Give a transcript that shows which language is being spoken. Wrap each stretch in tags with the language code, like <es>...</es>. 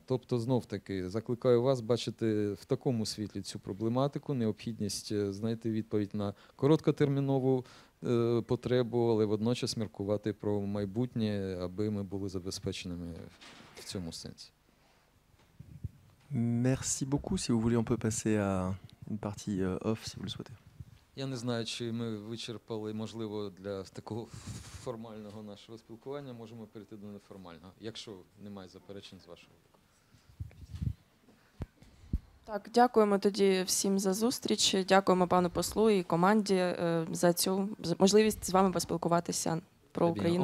<uk>Тобто, знов-таки, закликаю вас бачити в такому світлі цю проблематику, необхідність знайти відповідь на короткотермінову потребу, але водночас міркувати про майбутнє, аби ми були забезпеченими в цьому сенсі.</uk> <fr>Merci beaucoup. Si vous voulez, on peut passer à une partie off, si vous le souhaitez.</fr> <uk>Я не знаю, чи ми вичерпали, можливо, для такого формального нашого спілкування, можемо перейти до неформального, якщо немає заперечень з вашого боку. Так, дякуємо тоді всім за зустріч, дякуємо пану послу і команді за цю можливість з вами поспілкуватися про Україну.</uk>